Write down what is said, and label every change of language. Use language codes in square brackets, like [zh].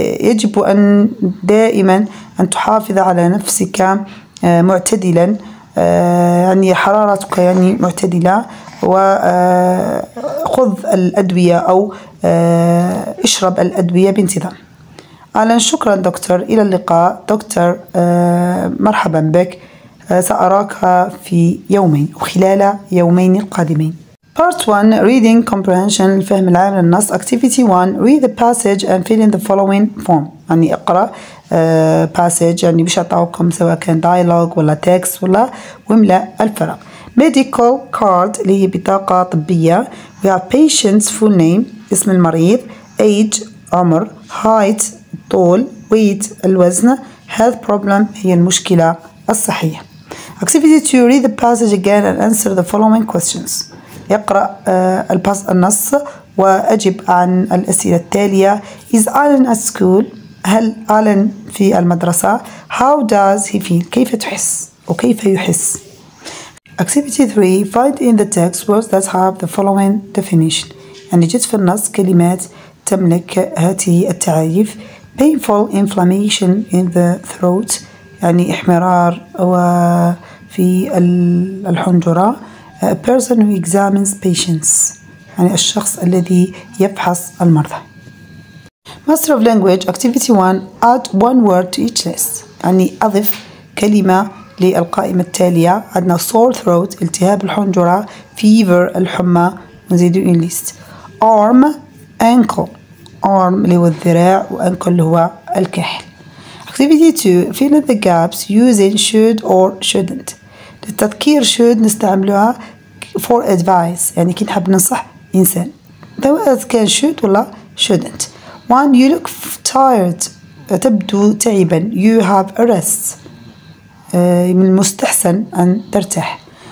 [ar] يجب أن دائما أن تحافظ على نفسك معتدلا, يعني حرارتك يعني معتدلة, وخذ الأدوية أو اشرب الأدوية بانتظام. أهلا, شكرا دكتور, إلى اللقاء. دكتور, مرحبا بك, سأراك في يومين, خلال يومين القادمين. [en] Part 1, Reading Comprehension, [ar] الفهم العام للنص. [en] Activity 1, Read the passage and fill in the following form. [ar] يعني اقرأ passage, يعني مش أعطاكم سواء كان dialogue ولا text ولا, واملأ الفرق. [en] Medical card, [ar] اللي هي بطاقة طبية. [en] We have patient's full name, [ar] اسم المريض. [en] Age, [ar] عمر. [en] Height, [ar] طول. [en] Weight, [ar] الوزن. [en] Health problem, [ar] هي المشكلة الصحية. [en] Activity 2, Read the passage again and answer the following questions. [ar] يقرأ النص وأجب عن الأسئلة التالية. [en] Is Alan at school? [ar] هل Alan في المدرسة؟ [en] How does he feel? [ar] كيف تحس؟ وكيف يحس؟ [en] Activity 3. Find in the text words that have the following definition. [ar] يعني جد في النص كلمات تملك هذه التعريف. [en] Painful inflammation in the throat, [ar] يعني إحمرار في الحنجرة. [en] A person who examines patients, [ar] يعني الشخص الذي يفحص المرضى. [en] Master of language, activity 1, add one word to each list. [ar] يعني أضف كلمة للقائمة التالية. عندنا [en] sore throat, [ar] التهاب الحنجرة. [en] Fever, [ar] الحمى. نزيد [en] in list. Arm, ankle. [ar] Arm اللي هو الذراع, وankle اللي هو الكحل. [en] Activity 2, fill in the gaps using should or shouldn't. [ar] للتذكير should نستعملها [en] for advice, [ar] يعني كي نحب ننصح إنسان. إذا كان [en] should ولا shouldn't. One, you look tired, [ar] تبدو تعبا. [en] You have a rest, [ar] من المستحسن أن ترتاح.